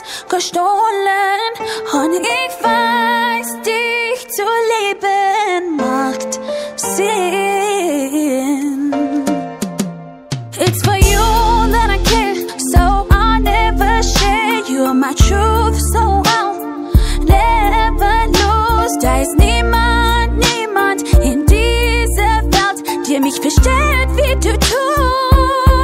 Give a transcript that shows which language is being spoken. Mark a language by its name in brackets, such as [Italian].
[German] gestohlen und ich weiß, dich zu lieben macht Sinn. [English] It's for you that I care, so I'll never share. You are my truth, so I'll never lose. [German] Da ist niemand, niemand in dieser Welt, der mich versteht, wie du tust.